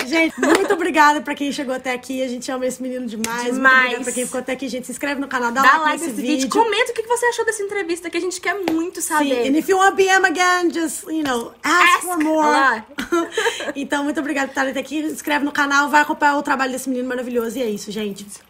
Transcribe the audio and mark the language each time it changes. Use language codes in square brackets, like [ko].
[pt] Gente, muito obrigada pra quem chegou até aqui. A gente ama esse menino demais. Muito obrigada pra quem ficou até aqui, gente. Se inscreve no canal, dá like nesse vídeo. Comenta o que você achou dessa entrevista, que a gente quer muito saber. [en] Sim, and if you want BM again, just, you know, ask for more. [pt] Então, muito obrigada por estar aqui. Se inscreve no canal, vai acompanhar o trabalho desse menino maravilhoso. E é isso, gente.